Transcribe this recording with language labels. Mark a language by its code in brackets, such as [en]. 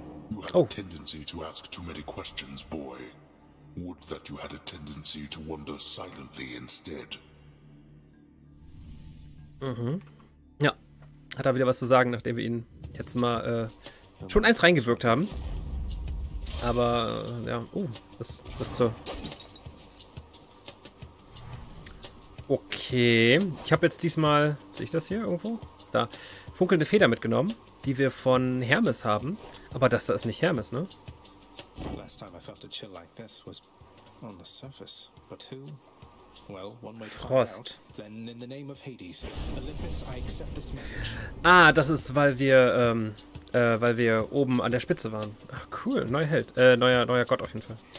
[en] You have a tendency to ask too many questions, boy. Would that you had a tendency to wander silently instead. Mhm. [de] Ja, hat er wieder was zu sagen, nachdem wir ihn jetzt mal schon eins reingewirkt haben. Aber, ja, was zur... Okay, ich habe jetzt diesmal, sehe ich das hier irgendwo? Da, funkelnde Feder mitgenommen, die wir von Hermes haben. Aber das da ist nicht Hermes, ne? [en] Last time I felt a chill like this was on the surface, but who? Well, one way to find out, then in the name of Hades, Olympus, I accept this message. [de] Ah, das ist, weil wir oben an der Spitze waren. Ach, cool, neuer Held, neuer Gott auf jeden Fall.